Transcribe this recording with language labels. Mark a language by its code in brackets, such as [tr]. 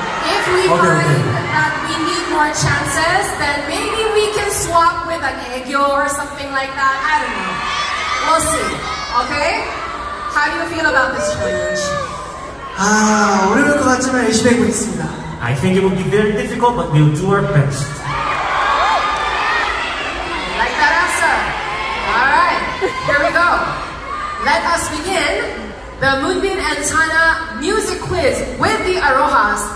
[en] If we find that we need more chances, then maybe we can swap with an egg or something like that. I don't know. we'll see. Okay? How do you feel about this challenge? [ko] 아, 어려울 것 같지만 열심히 해보겠습니다. [en] I think it will be very difficult, but we'll do our best. Like that answer. All right, here we go. Let us begin the Moonbin and Sanha music quiz with the Arohas.